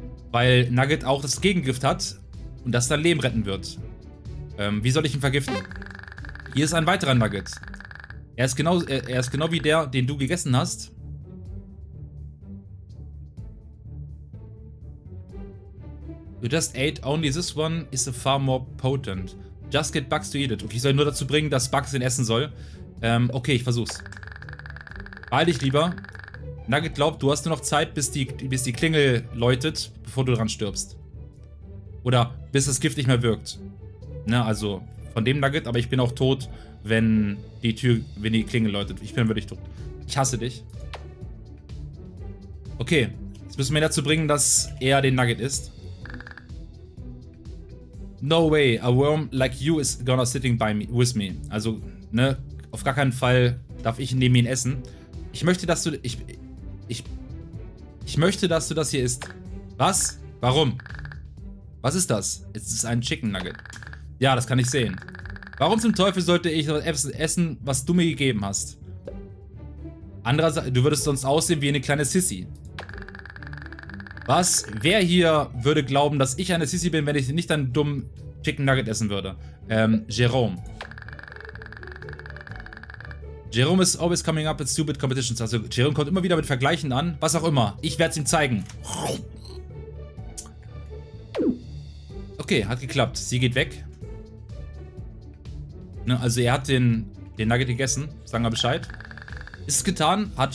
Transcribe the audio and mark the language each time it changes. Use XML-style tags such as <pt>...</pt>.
<de>Weil Nugget auch das Gegengift hat und das dein Leben retten wird. Wie soll ich ihn vergiften? Hier ist ein weiterer Nugget. Er ist genau wie der, den du gegessen hast.</de> <en>You just ate, only this one is a far more potent. Just get Bugs to eat it.</en> <de>Okay, ich soll ihn nur dazu bringen, dass Bugs ihn essen soll. Okay, ich versuch's. Beeil dich lieber. Nugget glaubt, du hast nur noch Zeit, bis die Klingel läutet, bevor du dran stirbst. Oder bis das Gift nicht mehr wirkt. Ne, also von dem Nugget, aber ich bin auch tot, wenn die Klingel läutet. Ich bin wirklich tot. Ich hasse dich. Okay, jetzt müssen wir dazu bringen, dass er den Nugget isst.</de> <en>No way, a worm like you is gonna sitting by me, with me.</en> <de>Also, ne, auf gar keinen Fall darf ich neben ihn essen. Ich möchte, dass du das hier isst. Was? Warum? Was ist das? Es ist ein Chicken Nugget. Ja, das kann ich sehen. Warum zum Teufel sollte ich etwas essen, was du mir gegeben hast? Andererseits, du würdest sonst aussehen wie eine kleine Sissy. Was? Wer hier würde glauben, dass ich eine Sissy bin, wenn ich nicht einen dummen Chicken Nugget essen würde? Jerome.</de> <en>Jerome is always coming up with stupid competitions.</en> <de>Also, Jerome kommt immer wieder mit Vergleichen an. Was auch immer. Ich werde es ihm zeigen. Okay, hat geklappt. Sie geht weg. Ne, also, er hat den Nugget gegessen. Sagen wir Bescheid. Ist es getan?</de>